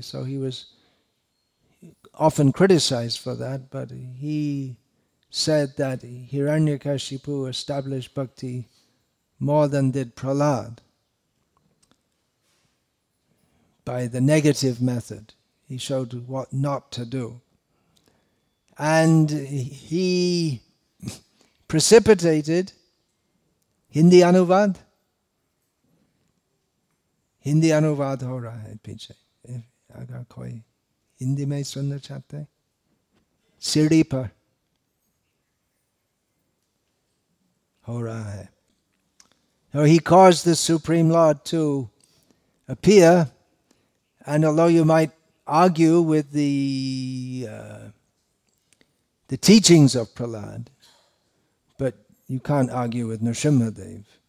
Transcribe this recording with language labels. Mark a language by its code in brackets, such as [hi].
[en] So he was often criticized for that, but he said that Hiranyakashipu established bhakti more than did Prahlad by the negative method. He showed what not to do. And he precipitated [hi] Hindi अनुवाद. हिंदी अनुवाद हो रहा है पीछे. अगर कोई हिंदी में सुनना चाहते, सिरी पर हो रहा है. [en] So he caused the Supreme Lord to appear, and although you might argue with the teachings of Prahlad, but you can't argue with Nrsimha Dev.